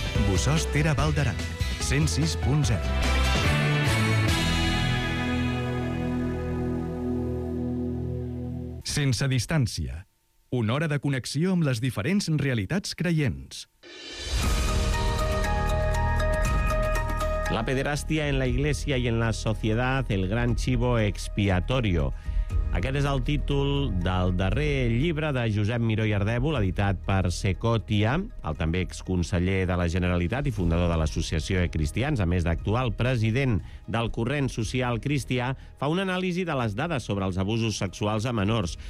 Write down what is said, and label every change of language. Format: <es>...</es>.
<ca>Bossòst Terra Val d'Aran, 106.0. Sense distància. Una hora de connexió amb les diferents realitats creients.</ca> <es>La pederàstia en la Iglesia y en la sociedad, el gran chivo expiatorio.</es> <ca>Aquest és el títol del darrer llibre de Josep Miró i Ardèvol, editat per Secòtia, el també exconseller de la Generalitat i fundador de l'Associació de Cristians, a més d'actual president del corrent social cristià, fa una anàlisi de les dades sobre els abusos sexuals a menors.</ca>